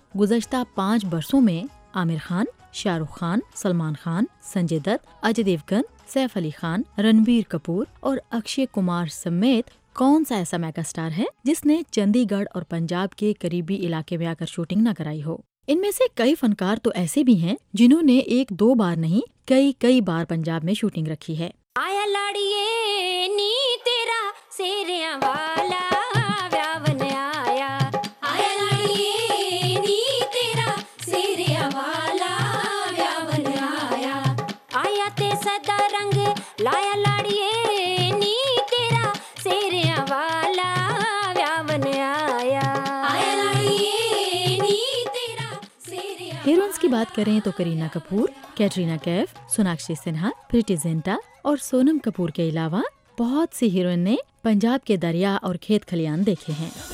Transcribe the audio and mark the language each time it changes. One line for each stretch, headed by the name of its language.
Urdu: گزشتہ 5 برسوں میں عامر خان، شاہ رخ خان، سلمان خان، سنجے دت، اجے دیوگن، سیف علی خان، رنبیر کپور اور اکشے کمار سمیت کون سا ایسا میگا سٹار ہے جس نے چندی گڑھ اور پنجاب کے قریبی علاقے میں آ کر شوٹنگ نہ کرائی ہو۔ ان میں سے کئی فنکار تو ایسے بھی ہیں جنہوں نے ایک دو بار نہیں کئی کئی بار پنجاب میں شوٹنگ رکھی ہے۔
Punjabi: آیا لاڑیے نی تیرا سیریاں والا ویاون آیا، آیا لاڑیے نی تیرا سیریاں والا ویاون آیا، آیا تے سدا رنگ لایا لاڑیے نی تیرا سیریاں والا ویاون آیا، آیا لاڑیے نی تیرا سیریاں۔
Urdu: ہیروئنز کی بات کریں تو کرینہ کپور، کیٹرینہ کیف، سوناکشی سنہا، پریٹی زنٹا اور سونم کپور کے علاوہ بہت سی ہیروئن نے پنجاب کے دریا اور کھیت کھلیان دیکھے ہیں۔